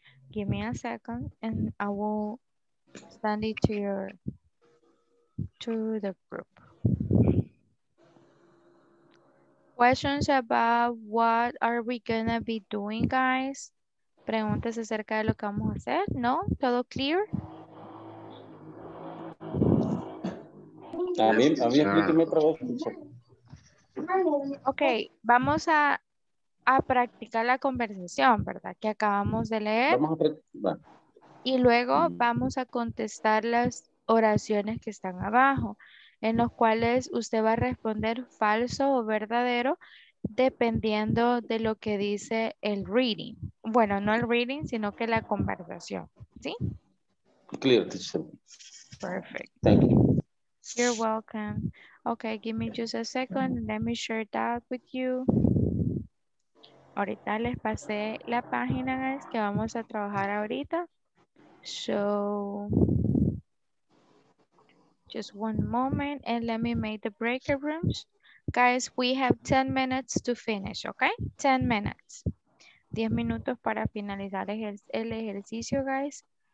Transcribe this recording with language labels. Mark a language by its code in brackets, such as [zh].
[en] Give me a second and I will send it to your, to the group. Questions about what are we gonna be doing, guys? [es] Preguntas acerca de lo que vamos a hacer, no? Todo clear? A mí, otra vez. Ok, vamos a practicar la conversación, ¿verdad? Que acabamos de leer. Y luego vamos a contestar las oraciones que están abajo, en los cuales usted va a responder falso o verdadero, dependiendo de lo que dice el reading. Bueno, no el reading, sino que la conversación, ¿sí? [en] Clear, teacher. Perfect. Thank you. You're welcome. Okay, give me just a second. Let me share that with you. [es] Ahorita les pasé la página que vamos a trabajar ahorita. [en] So, just one moment and let me make the breakout rooms. Guys, we have 10 minutes to finish, okay? 10 minutes. [es] 10 minutos para finalizar el ejercicio, guys.